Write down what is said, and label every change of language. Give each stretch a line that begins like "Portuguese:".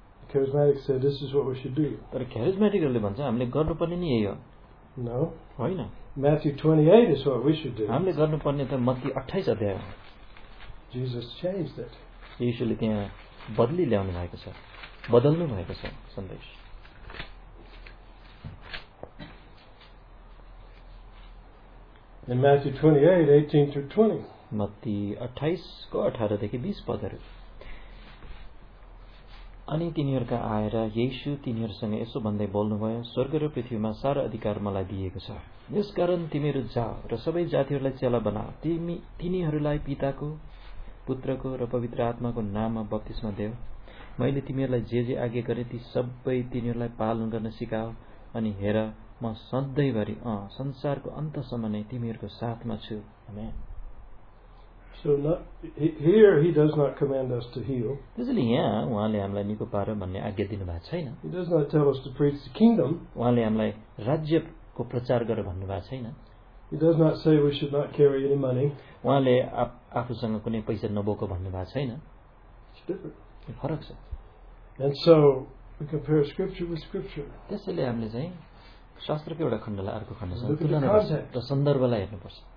English: Charismatic said this is what we should do.
Nepali: तर क्यारिज्मेटिकहरूले भन्छ हामीले गर्नुपर्ने नि यही हो.
English: No.
Nepali: होइन.
English: Matthew 28 is what we should do.
Nepali: हामीले गर्नुपर्ने त मत्ती 28 अध्याय हो.
English: Jesus changed it.
Nepali: यीशुले त्यहाँ बदली ल्याउनु भएको छ. बदल्नु भएको छ सन्देश.
English: In Matthew 28:18-20.
Nepali: मत्ती 28 को 18 देखि 20 पदहरू. अनि तिनीहरूका आएर येशु तिनीहरूसँग यसो भन्दै बोल्नुभयो, स्वर्ग र पृथ्वीमा सारा अधिकार मलाई दिएको छ, यसकारण तिमीहरू जा र सबै जातिहरूलाई चेला बना, तिनीहरूलाई पिताको पुत्रको र पवित्र आत्माको नाममा बत्तीसमा देऊ, मैले तिमीहरूलाई जे जे आज्ञा गरे ती सबै तिनीहरूलाई पालन गर्न सिकाऊ, अनि हेर म सधैँभरि संसारको अन्तसम्म नै तिमीहरूको साथमा छु.
English: So here he does not command us to heal.
Nepali: त्यसैले यहाँ उहाँले हामीलाई निको पार भन्ने आज्ञा दिनुभएको छैन.
English: He does not tell us to preach the kingdom.
Nepali: उहाँले हामीलाई राज्यको प्रचार गर भन्नुभएको छैन.
English: He does not say we should not carry any money.
Nepali: उहाँले आफूसँग कुनै पैसा नबोको भन्नुभएको छैन. फरक छ.
English: And so we compare scripture with scripture.
Nepali: त्यसैले हामीले चाहिँ शास्त्रको एउटा खण्डलाई अर्को खण्डसँग तुलना गर्छ र सन्दर्भलाई हेर्नुपर्छ.